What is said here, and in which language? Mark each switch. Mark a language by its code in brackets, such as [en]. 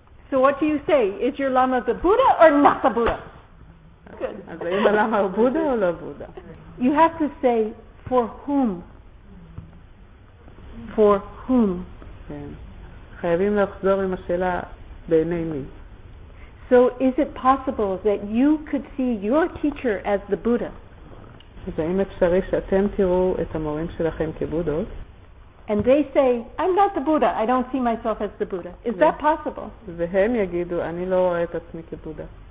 [en] So what do you say? Is your lama the Buddha or not the Buddha? Good. You have to say, for whom? For whom? [he] חייבים לחזור עם השאלה בעיני מי. [en] So is it possible that you could see your teacher as the Buddha? [he] אז האם אפשרי שאתם תראו את המורים שלכם כבודות? [en] And they say, I'm not the Buddha. I don't see myself as the Buddha. Is that possible? [he] והם יגידו, אני לא רואה את עצמי כבודה.